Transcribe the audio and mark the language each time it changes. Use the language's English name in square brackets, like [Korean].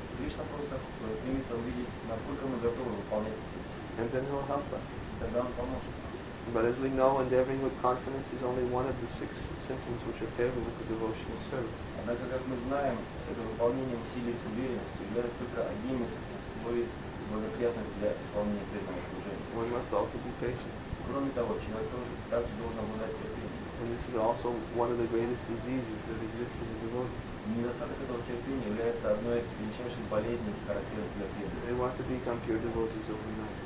[Russian] Кришна просто стремится увидеть, насколько мы готовы выполнять. [English] And then he'll help us. [Russian] Тогда он поможет. [English] But as we know, endeavoring with confidence is only one of the six symptoms which are favorable to devotional service. [Russian] Однако, как мы знаем, это выполнение усилий с уверенностью является только одним из условий благоприятных для выполнения преданного служения. [English] We must also be patient. [Russian] Кроме того, человек тоже также должен обладать терпением. [English] And this is also one of the greatest diseases that exist in the devotee. [Russian] Недостаток этого терпения является одной из величайших болезней, характерных для преданных.